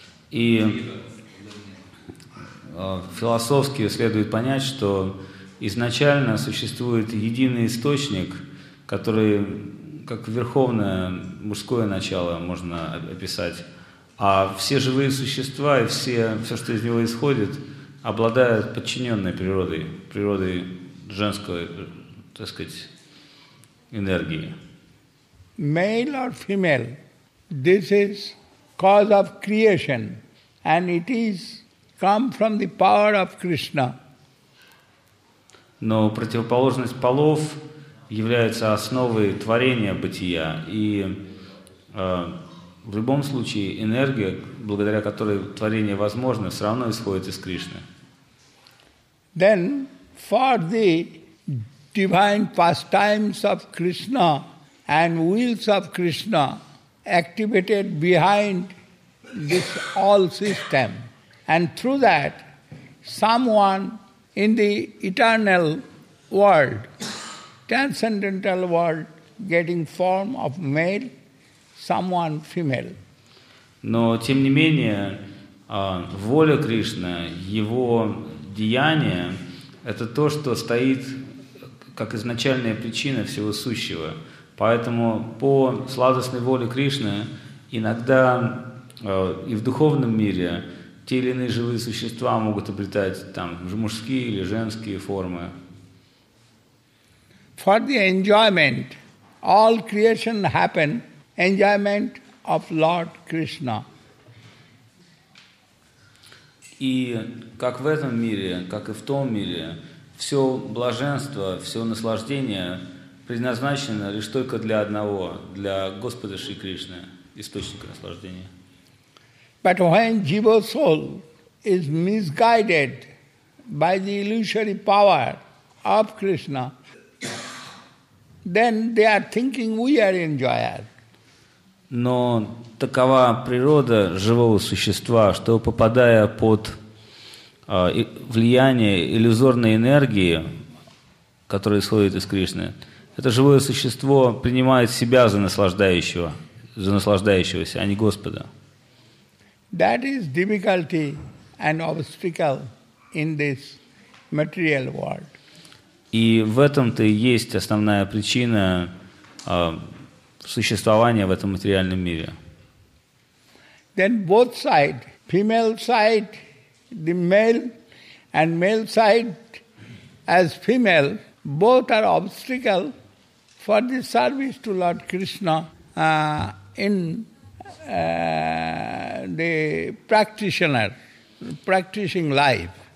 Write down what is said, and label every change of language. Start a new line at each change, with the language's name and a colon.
Russian: И философски следует понять, что изначально существует единый источник, который как верховное мужское начало можно описать, а все живые существа и все, что из него исходит, обладают подчиненной природой, природой женской, так сказать, энергии.
English: Male or female, this is cause of creation. And it is come from the power of Krishna.
Russian: Но противоположность полов является основой творения бытия, и в любом случае энергия, благодаря которой творение возможно, все равно исходит из Кришны.
English: Then, for the divine pastimes of Krishna and wills of Krishna activated behind this all system, and through that, someone in the eternal world, transcendental world, getting form of male, someone female.
Russian: Но тем не менее, воля Кришны, его деяния, это то, что стоит как изначальная причина всего сущего. Поэтому по сладостной воле Кришны иногда и в духовном мире те или иные живые существа могут обретать там мужские или женские формы.
English: For the enjoyment, all creation happen enjoyment of Lord Krishna.
Russian: И как в этом мире, как и в том мире, все блаженство, все наслаждение предназначено лишь только для одного, для Господа Шри Кришны, источника наслаждения.
English: But when jiva soul is misguided by the illusory power of Krishna, then they are thinking we are enjoyer.
Russian: Но такова природа живого существа, что попадая под влияние иллюзорной энергии, которая исходит из Кришны, это живое существо принимает себя за наслаждающегося, а не Господа.
English: That is difficulty and obstacle in this material world.
Russian: И в этом-то и есть основная причина существования в этом материальном мире.
English: Then both side, female side, the male and male side as female, both are obstacle for the service to Lord Krishna in the practitioner, practicing life.